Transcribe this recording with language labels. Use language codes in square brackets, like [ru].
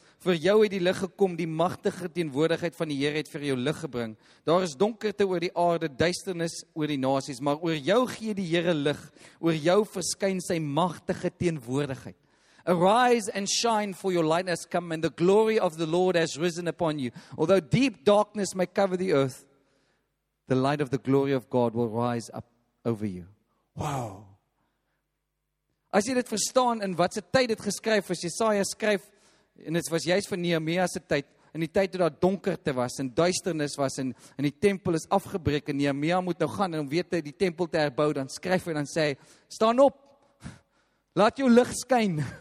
[af] Vir jou het die lig gekom, die magtige teenwoordigheid van die Here het vir jou lig gebring. Daar is donkerte oor die aarde, duisternis oor die nasies, maar oor jou gee die Here lig, oor jou verskyn sy magtige teenwoordigheid. [en] Arise and shine, for your light has come, and the glory of the Lord has risen upon you. Although deep darkness may cover the earth, the light of the glory of God will rise up over you. Wow! [af] As jy dit verstaan, in watse tyd dit geskryf is, Jesaja skryf, en dit was juist van Nehemia se tyd, in die tyd toe daar donkerte was, en duisternis was, en die tempel is afgebreek, en Nehemia moet nou gaan, en om weet hy die tempel te herbou, dan skryf hy, dan sê hy, staan op, laat jou lig skyn.